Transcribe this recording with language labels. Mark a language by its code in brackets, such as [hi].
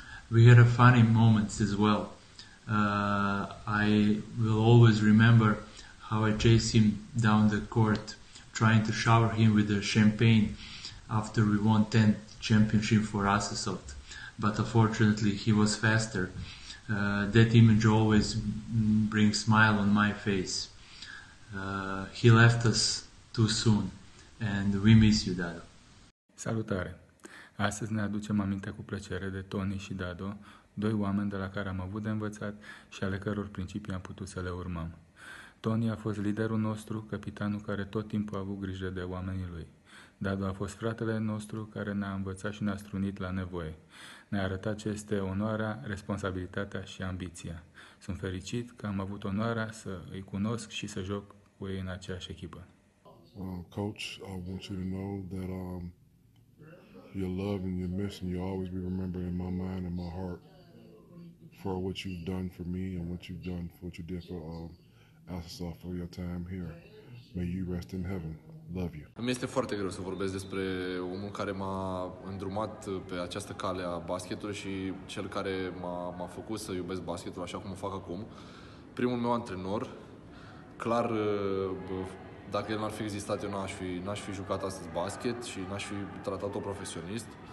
[en] We had a funny moments as well. I will always remember how I chased him down the court, trying to shower him with the champagne after we won 10th championship for Asesoft. But unfortunately, he was faster. That image always brings smile on my face. He left us too soon and we miss you, Dado. [ro] Salutare! Astăzi ne aducem aminte cu plăcere de Tony și Dado, doi oameni de la care am avut de învățat și ale căror principii am putut să le urmăm. Tony a fost liderul nostru, capitanul care tot timpul a avut grijă de oamenii lui. Dado a fost fratele nostru care ne-a învățat și ne-a strunit la nevoie. Ne-a arătat ce este onoarea, responsabilitatea și ambiția. Sunt fericit că am avut onoarea să îi cunosc și să joc cu ei în aceeași echipă. [en] Coach, I want you to know that your love and your mission, you'll always be remembered in my mind and my heart for what you've done for me and what you've done for what you did for Asesoft for your time here. May you rest in heaven. [ro] Îmi este foarte greu să vorbesc despre omul care m-a îndrumat pe această cale a basketului și cel care m-a făcut să iubesc basketul așa cum o fac acum. Primul meu antrenor, clar, dacă el n-ar fi existat, eu n-aș fi jucat astăzi basket și n-aș fi tratat-o profesionist.